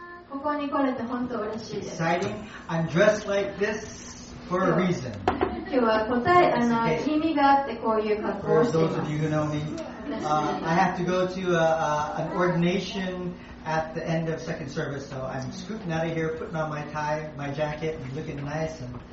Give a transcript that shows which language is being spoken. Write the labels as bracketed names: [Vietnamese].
[Japanese] ここに来れて本当嬉しいです。 [English] Exciting. I'm dressed like this for a reason. [Japanese] 今日は答え、意味があってこういう格好をしています。 [English] For those of you who know me, I have to go to an ordination at the end of second service, so I'm scooting out of here, putting on my tie, my jacket, and looking nice and...